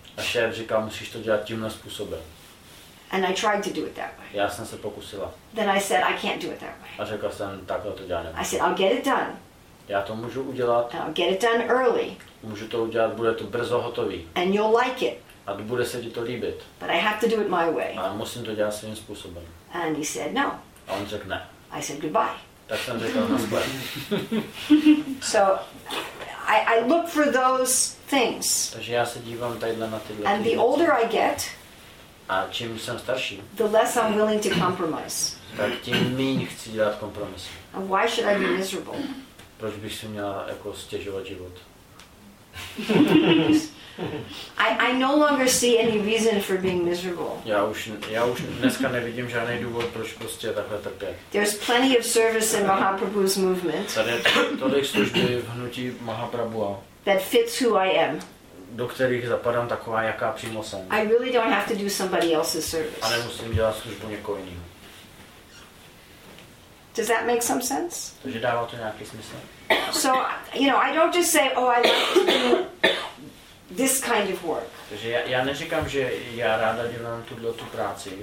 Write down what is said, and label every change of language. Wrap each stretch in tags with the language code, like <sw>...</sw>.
<cs>A šéf říkal, musíš to dělat tímhle způsobem.</cs> <en>And I tried to do it that way.</en> <cs>Já jsem se pokusila.</cs> <en>Then I said, I can't do it that way.</en> <cs>A řekla jsem, takhle to dělat nemůžu.</cs> <en>I said, I'll get it done.</en> <cs>Já to můžu udělat.</cs> <en>And I'll get it done early.</en> <cs>Můžu to udělat, bude to brzo hotový.</cs> <en>And you'll like it.</en> <cs>A bude se ti to líbit.</cs> <en>But I have to do it my way.</en> <cs>A musím to dělat svým způsobem.</cs> <en>And he said no.</en> <cs>A on řekl ne.</cs> <en>I said goodbye.</en> <cs>Tak jsem řekl nazdar.</cs> <en>So I look for those things.</en> <cs>Takže já se dívám tadyhle na tyhle.</cs> <en>And the older I get.</en> <cs>A čím jsem starší,</cs> <en>the less I'm willing to compromise.</en> <cs>Tak tím méně chci dělat kompromisy.</cs> <en>And why should I be miserable?</en> <cs>Proč bych si měla jako stěžovat život?</cs> <en>I no longer see any reason for being miserable.</en> <cs>Já už dneska nevidím žádný důvod, proč prostě takhle trpět.</cs> <en>There's plenty of service in Mahaprabhu's movement.</en> <cs>Tady tolik služby v hnutí Mahaprabhu.</cs> <en>That fits who I am.</en> <cs>Do kterých zapadám taková, jaká přímo jsem.</cs> <en>I really don't have to do somebody else's service.</en> <cs>A nemusím dělat službu někoho jiného.</cs> <en>Does that make some sense?</en> <cs>Takže dává to nějaký smysl.</cs> <en>So, you know, I don't just say, oh, I like to do this kind of work.</en> <cs>Takže já neříkám, že já ráda dělám tuto tu práci.</cs>